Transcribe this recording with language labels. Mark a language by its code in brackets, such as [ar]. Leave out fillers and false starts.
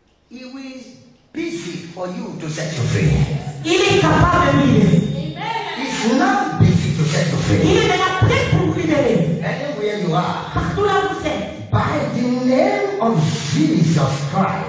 [en] He will be for you to set you free. [fr] Il est capable de libérer. [en] It's not free. [fr] Il est déjà prêt pour vous libérer. [en] Anywhere you are. [fr] Partout là où vous êtes. [en] By the name of Jesus Christ.